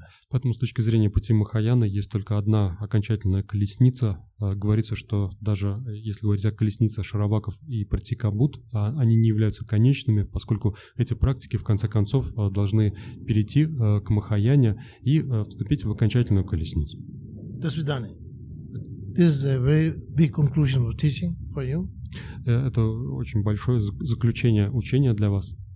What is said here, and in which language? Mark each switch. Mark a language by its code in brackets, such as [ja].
[ru] Поэтому с точки зрения пути Махаяны есть только одна окончательная колесница. Говорится, что даже если говорить о колеснице Шараваков и Пратикабуд, они не являются конечными, поскольку эти практики в конце концов должны перейти к Махаяне и вступить в окончательную колесницу. До свидания. [en] This is a very big conclusion of teaching for you. [ru] Это очень большое заключение учения для вас.